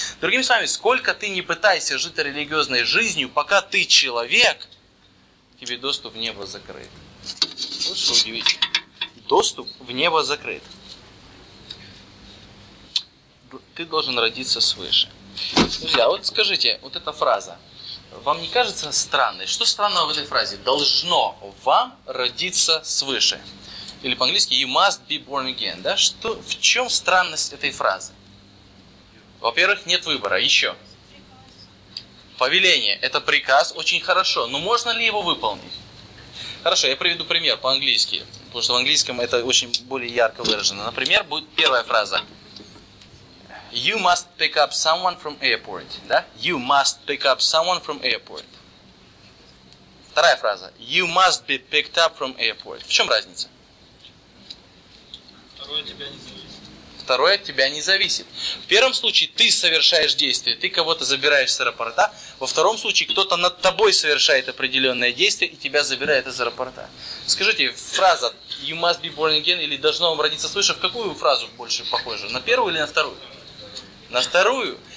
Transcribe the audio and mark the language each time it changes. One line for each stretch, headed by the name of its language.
Russian: Другими словами, сколько ты не пытайся жить религиозной жизнью, пока ты человек, тебе доступ в небо закрыт. Вот что удивительно. Доступ в небо закрыт. Ты должен родиться свыше. Друзья, вот скажите, вот эта фраза. Вам не кажется странной? Что странного в этой фразе? Должно вам родиться свыше. Или по-английски
English: you must be born again.
Russian: Да? Что, в чем странность этой фразы? Во-первых, нет выбора. Еще. Повеление – это приказ, очень хорошо, но можно ли его выполнить? Хорошо, я приведу пример по-английски, потому что в английском это очень более ярко выражено. Например, будет первая фраза.
English: You must pick up someone from airport.
Russian: Да?
English: You must pick up someone from airport.
Russian: Вторая фраза.
English: You must be picked up from airport.
Russian: В чем разница? Второе тебя не зависит. Второе от тебя не зависит. В первом случае ты совершаешь действие, ты кого-то забираешь с аэропорта. Во втором случае кто-то над тобой совершает определенное действие и тебя забирает из аэропорта. Скажите, фраза
English: «you must be born again»
Russian: или «должно вам родиться свыше» в какую фразу больше похожа? На первую или на вторую? На вторую.